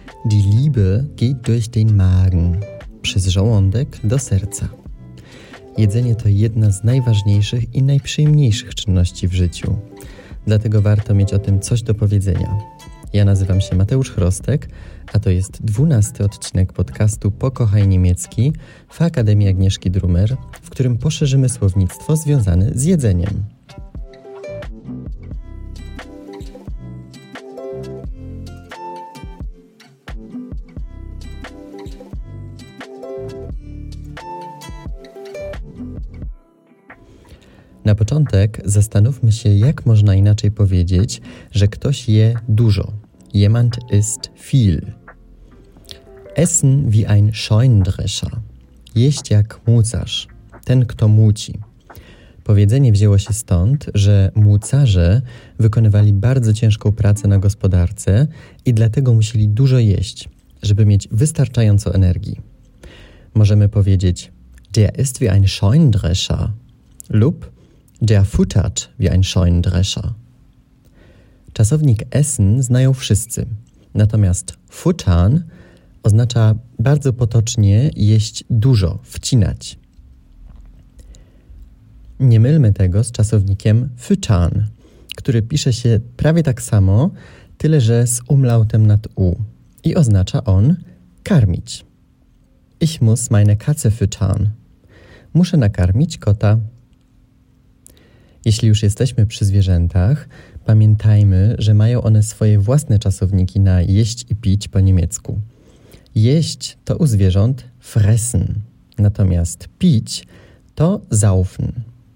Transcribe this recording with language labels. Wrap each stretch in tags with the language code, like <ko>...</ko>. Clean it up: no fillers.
<de>Die Liebe geht durch den Magen.</de> <pl>Przez żołądek do serca. Jedzenie to jedna z najważniejszych i najprzyjemniejszych czynności w życiu. Dlatego warto mieć o tym coś do powiedzenia. Ja nazywam się Mateusz Chrostek, a to jest 12 odcinek podcastu Pokochaj Niemiecki w Akademii Agnieszki Drumer, w którym poszerzymy słownictwo związane z jedzeniem. Na początek zastanówmy się, jak można inaczej powiedzieć, że ktoś je dużo.</pl> <de>Jemand isst viel. Essen wie ein Scheunendrescher.</de> <pl>Jeść jak młócarz. Ten, kto młóci. Powiedzenie wzięło się stąd, że młócarze wykonywali bardzo ciężką pracę na gospodarce i dlatego musieli dużo jeść, żeby mieć wystarczająco energii. Możemy powiedzieć</pl> <de>der ist wie ein Scheunendrescher</de> <pl>lub</pl> <de>der futtert wie ein Scheunendrescher.</de> <pl>Czasownik essen znają wszyscy, natomiast futtern oznacza bardzo potocznie jeść dużo, wcinać. Nie mylmy tego z czasownikiem füttern, który pisze się prawie tak samo, tyle że z umlautem nad u i oznacza on karmić.</pl> <de>Ich muss meine Katze füttern.</de> <pl>Muszę nakarmić kota. Jeśli już jesteśmy przy zwierzętach, pamiętajmy, że mają one swoje własne czasowniki na jeść i pić po niemiecku. Jeść to u zwierząt fressen, natomiast pić to saufen.</pl>